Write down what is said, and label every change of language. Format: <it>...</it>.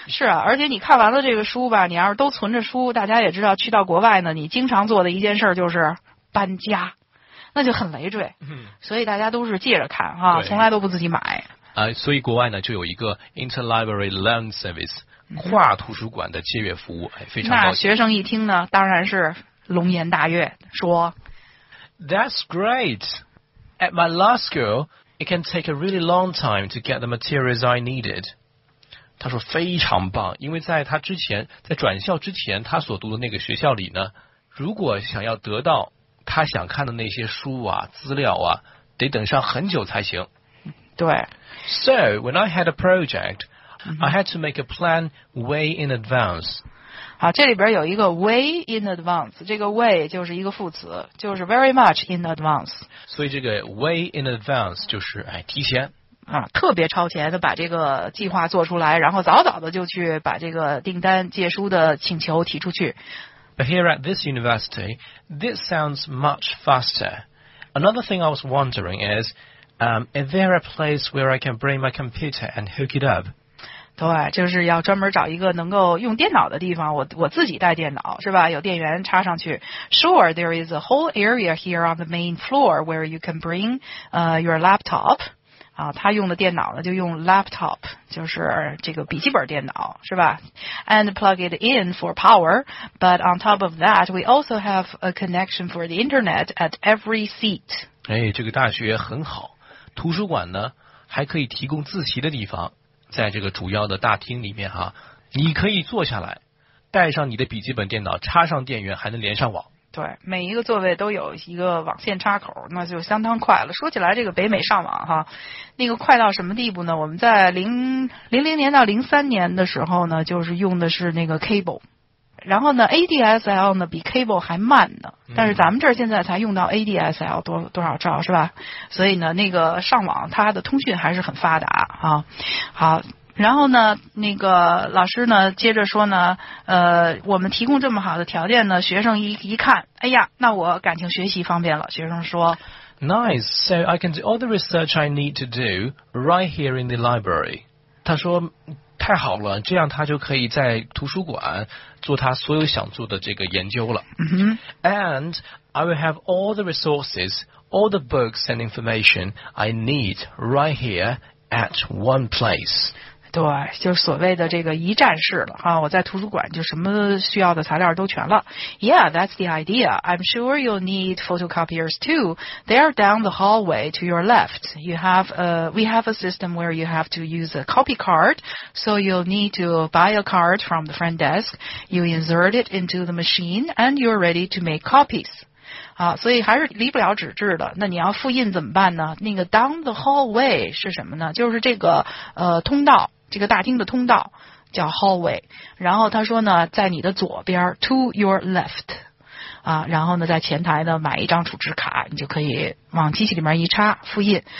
<zh>是啊，而且你看完了这个书吧，你要是都存着书，大家也知道去到国外呢你经常做的一件事就是搬家，那就很累赘，所以大家都是借着看哈，从来都不自己买。所以国外呢就有一个 interlibrary loan service， 跨图书馆的借阅服务，哎，非常高兴。那学生一听呢，当然是龙颜大悦，说</zh> <en>：“That's great. At my law school, it can take a really long time to get the materials I needed.”</en> <zh>他说非常棒，因为在他之前，在转校之前，他所读的那个学校里呢，如果想要得到他想看的那些书啊、资料啊，得等上很久才行。对。</zh> <en>So, when I had a project, I had to make a plan way in advance.</en> <zh>好，这里边有一个</zh> <en>way in advance，</en> <zh>这个 way 就是一个副词，就是</zh> <en>very much in advance。</en> <zh>所以这个</zh> <en>way in advance</en> <zh>就是哎提前。啊，特别超前的把这个计划做出来，然后早早的就去把这个订单借书的请求提出去。</zh> <en>But here at this university, this sounds much faster. Another thing I was wondering is, is there a place where I can bring my computer and hook it up?</en> <zh>对，就是要专门找一个能够用电脑的地方，我自己带电脑，是吧？有电源插上去。</zh> <en>Sure, there is a whole area here on the main floor where you can bring, your laptop.</en> <zh>啊，他用的电脑呢，就用 laptop, 就是这个笔记本电脑，是吧？</zh> <en>And plug it in for power, but on top of that, we also have a connection for the internet at every seat.</en> <zh>哎，这个大学很好，图书馆呢，还可以提供自习的地方。在这个主要的大厅里面哈，你可以坐下来，带上你的笔记本电脑，插上电源，还能连上网。对，每一个座位都有一个网线插口，那就相当快了。说起来，这个北美上网哈，那个快到什么地步呢？我们在零零年到2003年的时候呢，就是用的是那个 cable。然后呢 ,ADSL 呢比 cable 还慢呢，但是咱们这儿现在才用到 ADSL 多少兆，是吧？所以呢那个上网它的通讯还是很发达啊。好，然后呢那个老师呢接着说呢，我们提供这么好的条件呢，学生一看，哎呀，那我感情学习方便了，学生说</zh> <en>Nice, so I can do all the research I need to do right here in the library.</en> <zh>他说太好了，这样他就可以在图书馆做他所有想做的这个研究了。 Mm-hmm.</zh> <en>And I will have all the resources, all the books and information I need right here at one place.</en> <zh>对，就所谓的这个一站式了啊，我在图书馆就什么需要的材料都全了。</zh> <en>Yeah, that's the idea. I'm sure you'll need photocopiers too. They are down the hallway to your left. We have a system where you have to use a copy card, so you'll need to buy a card from the front desk. You insert it into the machine, and you're ready to make copies.</en> <zh>啊，所以还是离不了纸质的。那你要复印怎么办呢？那个</zh> <en>down the hallway</en> <zh>是什么呢？就是这个通道。这个大厅的通道叫 hallway, 然后他说呢在你的左边</zh> <en>to your left,</en> <zh>啊，然后呢在前台呢买一张储值卡，你就可以往机器里面一插复印。</zh>